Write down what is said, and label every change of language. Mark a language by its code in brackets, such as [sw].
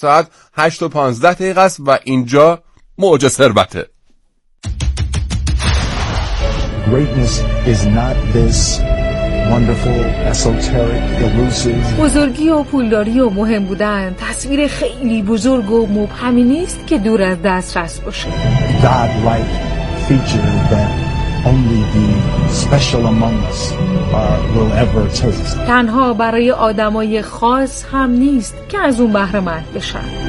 [fa] ساعت 8:15 دقیقه است و اینجا موج ثروته. [en] Greatness is not this wonderful, esoteric, elusive. [fa] بزرگی و پولداری و مهم بودن تصویر خیلی بزرگ و مبهمی نیست که دور از دسترس باشه. [en] God-like feature that only the special among us will ever taste. [fa] تنها برای آدمای خاص هم نیست که از اون بهره مند بشن.